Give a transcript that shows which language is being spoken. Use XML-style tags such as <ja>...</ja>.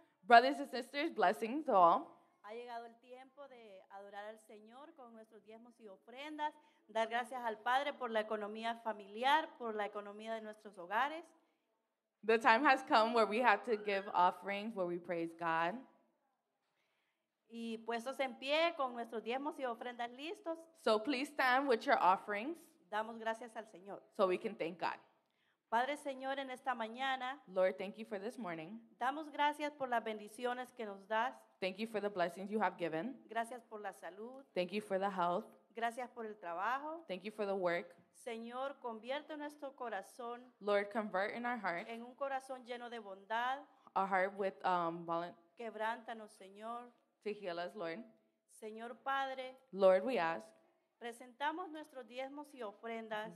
<en>Brothers and sisters, blessings to all.</en> <es>Ha llegado el tiempo de adorar al Señor con nuestros diezmos y ofrendas, dar gracias al Padre por la economía familiar, por la economía de nuestros hogares.</es> <en>The time has come where we have to give offerings, where we praise God.</en> <es>Y puestos en pie con nuestros diezmos y ofrendas listos.</es> <en>So please stand with your offerings.</en> <es>Damos gracias al Señor.</es> <en>So we can thank God.</en> <es>Padre Señor, en esta mañana,</es> <en>Lord, thank you for this morning.</en> <es>Damos gracias por las bendiciones que nos das.</es> <en>Thank you for the blessings you have given.</en> <es>Gracias por la salud.</es> <en>Thank you for the health.</en> <es>Gracias por el trabajo.</es> <en>Thank you for the work.</en> <es>Señor, convierte nuestro corazón.</es> <en>Lord, convert in our heart.</en> <es>En un corazón lleno de bondad.</es> <en>A heart with</en> <es>quebrántanos, Señor.</es> <en>To heal us, Lord.</en> <es>Señor Padre,</es> <en>Lord, we ask.</en> <es>Presentamos nuestros diezmos y ofrendas.</es>